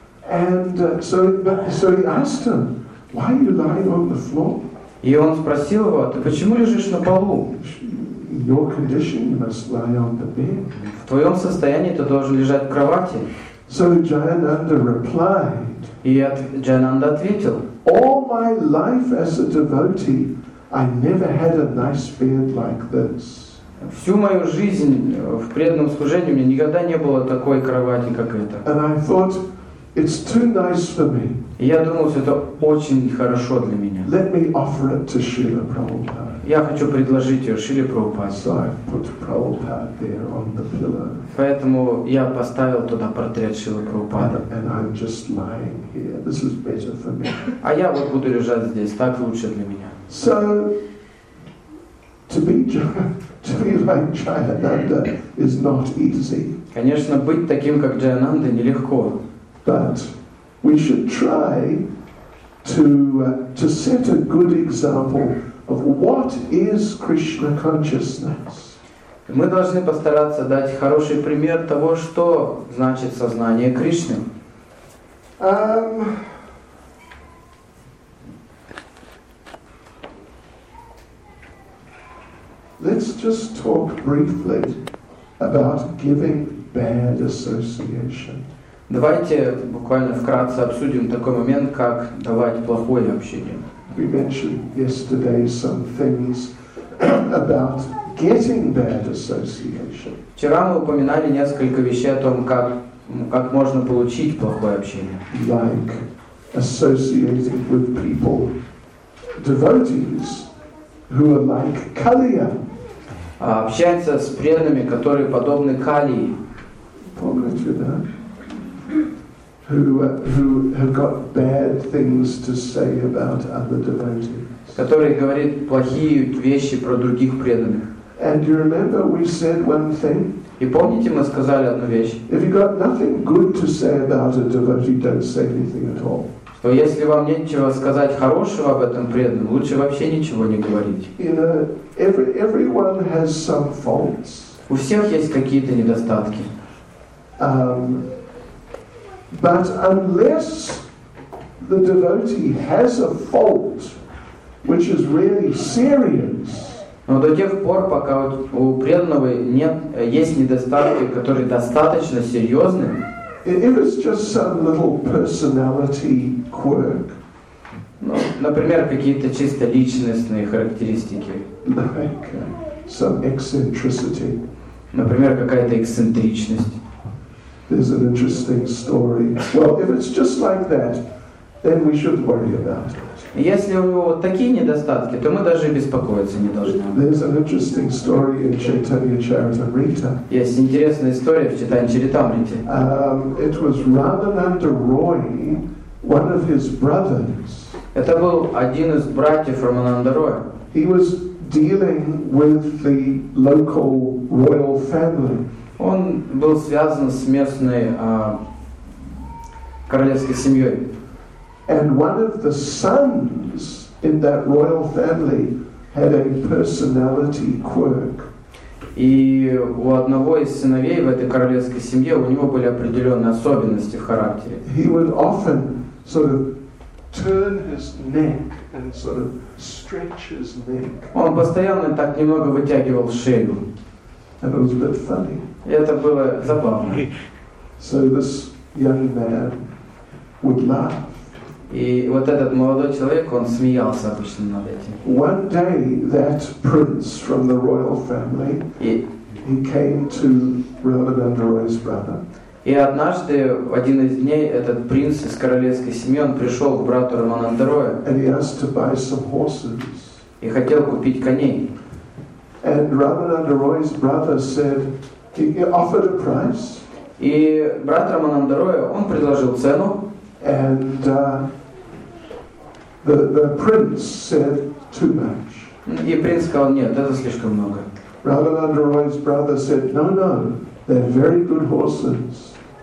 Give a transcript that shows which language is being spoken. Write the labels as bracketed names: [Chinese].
[English] And so he asked him, why are you lying on the floor? [Russian] И он спросил его, ты почему лежишь на полу? [English] Your condition, you must lie on the bed. [Russian] В твоем состоянии ты должен лежать в кровати. [English] So Jayananda replied. [Russian] И Джайананда ответил. [English] All my life as a devotee, I never had a nice bed like this. [Russian] Всю мою жизнь в преданном служении у меня никогда не было такой кровати, как эта. [English] And I thought, it's too nice for me. [Russian] Я думал, что это очень хорошо для меня. [English] Let me offer it to Srila Prabhupada. [Russian] Я хочу предложить ее Шиле Прабхупаде. [English] So I put Prabhupada there on the pillar. [Russian] Поэтому я поставил туда портрет Шилы Прабхупады. [English] And I'm just lying here. This is better for me. [Russian] А я вот буду лежать здесь, так лучше для меня. [English] So to be like Jayananda is not easy. [Russian] Конечно, быть таким как Джайананда нелегко. [English] But we should try to set a good example. What is Krishna consciousness? [Russian] Мы должны постараться дать хороший пример того, что значит сознание Кришны. [English] Let's just talk briefly about giving bad association. [Russian] Давайте буквально вкратце обсудим такой момент, как давать плохое общение. [English] We mentioned yesterday some things about getting bad association. [Russian] Вчера мы упоминали несколько вещей о том, как можно получить плохое общение. [English] Like associating with people, devotees who are like Kaliya. [Russian] Общаться с преданными, которые подобны Калии. Помните, да? [English] Who have got bad things to say about other devotees? [Russian] Который говорит плохие вещи про других преданных. [English] And you remember we said one thing? [Russian] И помните, мы сказали одну вещь. [English] If you got nothing good to say about a devotee, don't say anything at all. [Russian] Что если вам нечего сказать хорошего об этом преданном, лучше вообще ничего не говорить. [English] You know, everyone has some faults. [Russian] У всех есть какие-то недостатки. [English] But unless the devotee has a fault, which is really serious, [Russian] но до тех пор, пока у преданного есть недостатки, которые достаточно серьезны, [English] if it's just some little personality quirk, [Russian] например, какие-то чисто личностные характеристики, [English] like some eccentricity, [Russian] например, какая-то эксцентричность. [English] There's an interesting story. Well, if it's just like that, then we shouldn't worry about it. [Russian] Если у него такие недостатки, то мы даже беспокоиться не должны. [English] There's an interesting story in Chaitanya Charitamrita. [Russian] Есть интересная история в Чайтанья Чаритамрите. [English] It was Radhananda Roy, one of his brothers. [Russian] Это был один из братьев Рамананда Роя. [English] He was dealing with the local royal family. [Russian] Он был связан с местной королевской семьей. [English] And one of the sons in that royal family had a personality quirk. [Russian] И у одного из сыновей в этой королевской семье у него были определенные особенности в характере. [English] He would often sort of turn his neck and sort of stretch his neck. [Russian] Он постоянно так немного вытягивал шею. [English] And it was a bit funny. [Russian] И это было забавно. [English] So this young man would laugh. [Russian] И вот этот молодой человек, он смеялся обычно над этим. [English] One day that prince from the royal family, he came to Radhananda Roy's brother. [Russian] И однажды, в один из дней, этот принц из королевской семьи, он пришел к брату Рамананда Роя. [English] And he asked to buy some horses. [Russian] И хотел купить коней. [English] And Radhananda Roy's brother said, he offered a price. [Russian] И брат Рамананда Роя, он предложил цену. [English] And the prince said too much. [Russian] И принц сказал, нет, это слишком много. [English] Radhananda Roy's brother said, no, they're very good horses.